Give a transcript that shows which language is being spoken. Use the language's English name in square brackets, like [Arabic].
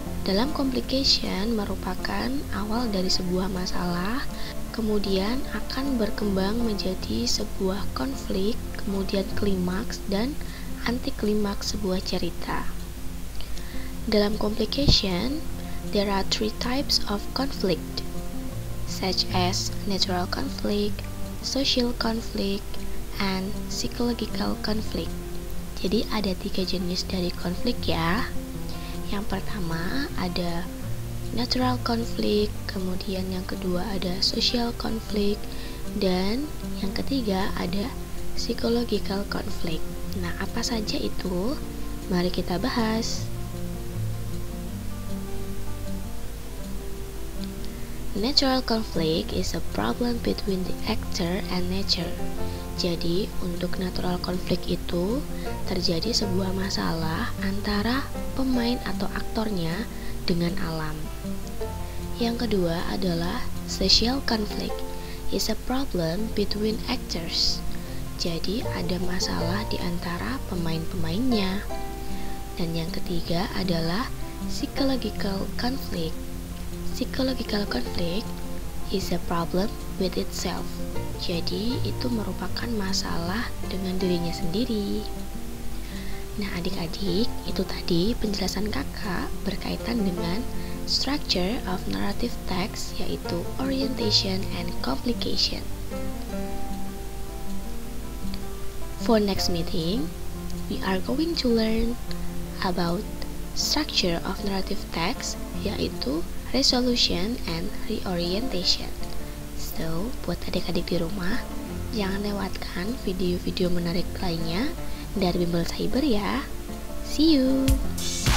[Indonesian] Dalam complication merupakan awal dari sebuah masalah, kemudian akan berkembang menjadi sebuah konflik, kemudian klimaks dan anticlimaks sebuah cerita. [English] Dalam complication, there are three types of conflict, such as natural conflict, social conflict, and psychological conflict. [Indonesian] Jadi ada tiga jenis dari konflik ya. Yang pertama ada natural conflict, kemudian yang kedua ada social conflict, dan yang ketiga ada psychological conflict. Nah, apa saja itu? Mari kita bahas. [English] Natural conflict is a problem between the actor and nature. [Indonesian] Jadi, untuk natural conflict itu terjadi sebuah masalah antara pemain atau aktornya dengan alam. Yang kedua adalah [English] social conflict is a problem between actors. [Indonesian] Jadi, ada masalah di antara pemain-pemainnya. Dan yang ketiga adalah psychological conflict. [English] Psychological conflict is a problem with itself. [Indonesian] Jadi, itu merupakan masalah dengan dirinya sendiri. Nah, adik-adik, itu tadi penjelasan kakak berkaitan dengan [English] structure of narrative text, [Indonesian] yaitu orientation and complication. [English] For next meeting, we are going to learn about structure of narrative text, [Indonesian] yaitu [English] resolution and reorientation. [Indonesian] So, buat adik-adik di rumah, jangan lewatkan video-video menarik lainnya dari Bimbel Cyber ya. [English] See you!